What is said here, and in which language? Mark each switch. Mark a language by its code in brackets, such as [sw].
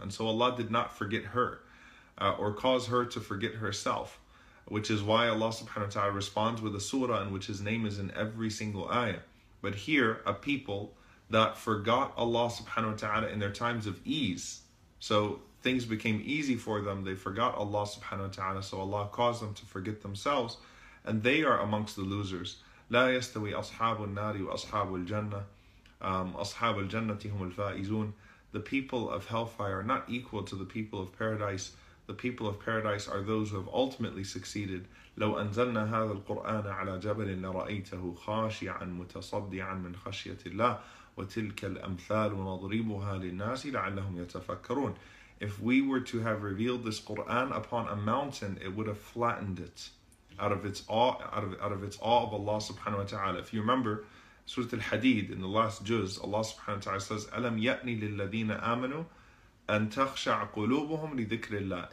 [en] And so Allah did not forget her or cause her to forget herself, which is why Allah subhanahu wa ta'ala responds with a surah in which his name is in every single ayah. But here, a people that forgot Allah subhanahu wa ta'ala in their times of ease. So things became easy for them, they forgot Allah subhanahu wa ta'ala, so Allah caused them to forget themselves, and they are amongst the losers. [ar] لا يستوي أصحاب النار وأصحاب الجنة أصحاب الجنة هم الفائزون. [en] The people of hellfire are not equal to the people of paradise. The people of paradise are those who have ultimately succeeded. [ar] لو أنزلنا هذا القرآن على جبل لرأيته خاشعا متصدعا من خشية الله وتلك الأمثال نضربها للناس لعلهم يتفكرون. [en] If we were to have revealed this Qur'an upon a mountain, it would have flattened it out of its awe of Allah subhanahu wa ta'ala. If you remember Surah Al-Hadid in the last juz, Allah subhanahu wa ta'ala says, [ar] أَلَمْ يَأْنِ لِلَّذِينَ آمَنُوا أَن تَخْشَعَ قُلُوبُهُمْ لِذِكْرِ اللَّهِ.